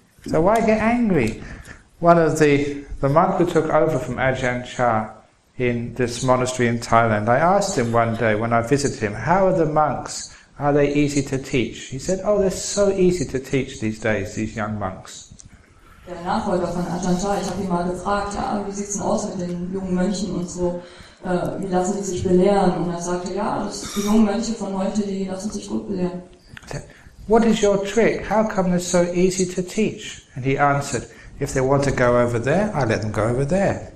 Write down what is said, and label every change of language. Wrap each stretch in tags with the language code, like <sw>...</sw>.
<en>So why get angry? One of the monk who took over from Ajahn Chah in this monastery in Thailand, I asked him one day when I visited him, how are the monks? Are they easy to teach? He said, oh, they're so easy to teach these days, these young monks.</en> <de>Der Nachfolger von Ajahn Chah, ich habe ihn mal gefragt, ja, wie sieht's denn aus mit den jungen Mönchen und so, wie lassen die sich belehren? Und sagte, ja, die jungen Mönche von heute, die lassen sich gut belehren.</de> <en>What is your trick? How come they're so easy to teach? And he answered, if they want to go over there, I let them go over there.</en>